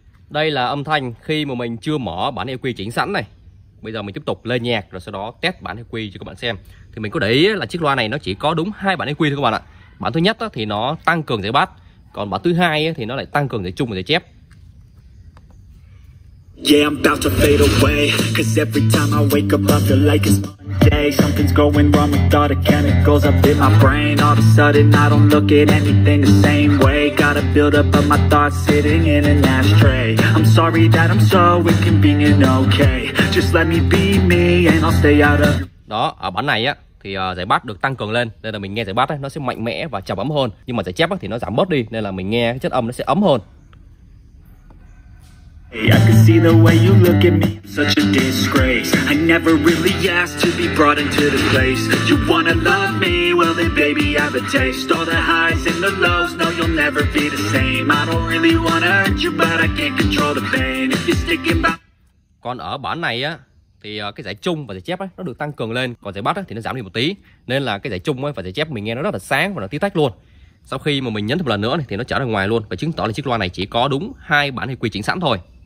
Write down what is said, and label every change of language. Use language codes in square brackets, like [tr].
[vi] Đây là âm thanh khi mà mình chưa mở bản EQ chỉnh sẵn này. Bây giờ mình tiếp tục lên nhạc rồi sau đó test bản EQ cho các bạn xem. Thì mình có để ý là chiếc loa này nó chỉ có đúng hai bản EQ thôi các bạn ạ. Bản thứ nhất thì nó tăng cường dãy bass, còn bản thứ hai thì nó lại tăng cường dãy trung và dãy chép. [en] Yeah, I'm about to fade away, 'cause every time I wake up I feel like it's Monday. Something's going wrong with all the chemicals up in my brain. All of a sudden I don't look at anything the same way. Gotta build up of my thoughts sitting in an ashtray. I'm sorry that I'm so inconvenient, okay. Just let me be me and I'll stay out of. [vi] Đó, ở bản này á thì giải bass được tăng cường lên, nên là mình nghe giải bass nó sẽ mạnh mẽ và trầm ấm hơn. Nhưng mà giải chép thì nó giảm bớt đi, nên là mình nghe cái chất âm nó sẽ ấm hơn. [en] I can see the way you look at me, such a disgrace. I never really asked to be brought into this place. You wanna love me, well then baby I have a taste. All the highs and the lows, no you'll never be the same. I don't really wanna hurt you, but I can't control the pain. If you're sticking by. [vi] Còn ở bản này á thì cái dãy trung và dãy chép nó được tăng cường lên, còn dãy bass thì nó giảm đi một tí. Nên là cái dãy trung và dãy chép mình nghe nó rất là sáng và nó tí tách luôn. Sau khi mà mình nhấn thêm một lần nữa thì nó trở ra ngoài luôn, và chứng tỏ là chiếc loa này chỉ có đúng hai bản EQ chỉnh sẵn thôi.